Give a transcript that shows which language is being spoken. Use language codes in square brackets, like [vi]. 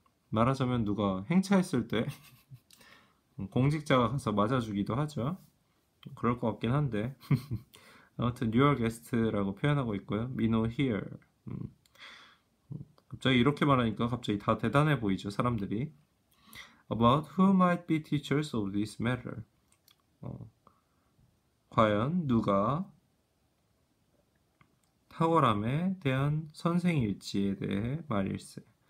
[ko] 말하자면 누가 행차했을 때 공직자가 가서 맞아주기도 하죠. 그럴 것 같긴 한데 아무튼 [en] your guest [ko] 라고 표현하고 있고요. [en] Me no here. [ko] 갑자기 이렇게 말하니까 갑자기 다 대단해 보이죠, 사람들이. [en] About who might be teachers of this matter. [ko] 과연 누가 탁월함에 대한 선생일지에 대해 말일세.